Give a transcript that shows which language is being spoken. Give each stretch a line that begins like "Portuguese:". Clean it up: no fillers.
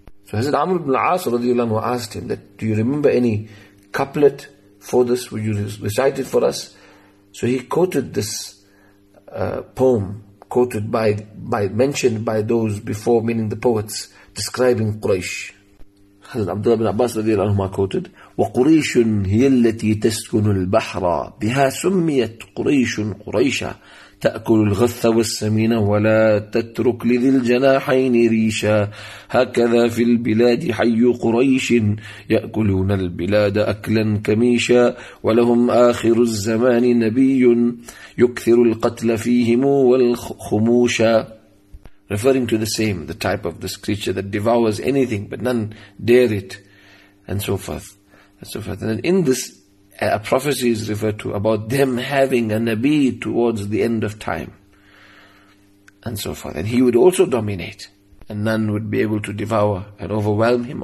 English: So Hazrat Amr ibn al-As radiallahu anhu asked him, that, do you remember any couplet for this? Would you recite it for us? So he quoted this poem, quoted mentioned by those before, meaning the poets, describing Quraysh. Hazrat Abdullah bin Abbas radiallahu anhu quoted,
Arabic: وَقُرَيْشٌ هِيَ الَّتِي تَسْكُنُ الْبَحْرَ بِهَا سُمِّيَتْ قُرَيْشٌ قُرَيْشًا تَأْكُلُ الْغَثَّ وَالسَّمِينَ وَلَا تَتْرُكْ لِذِي الْجَنَاحَيْنِ رِيشًا هَكَذَا فِي الْبِلَادِ حَيُّ قُرَيْشٍ يَأْكُلُونَ الْبِلَادَ أَكْلًا كَمِيشًا وَلَهُمْ آخِرُ الزَّمَانِ نَبِيٌّ يُكْثِرُ الْقَتْلَ فِيهِمُ وَالْخُمُوشًا.
English: Referring to the same, the type of this creature that devours anything, but none dare it, and so forth, and so forth. And in this, a prophecy is referred to about them having a Nabi towards the end of time, and so forth. And he would also dominate, and none would be able to devour and overwhelm him.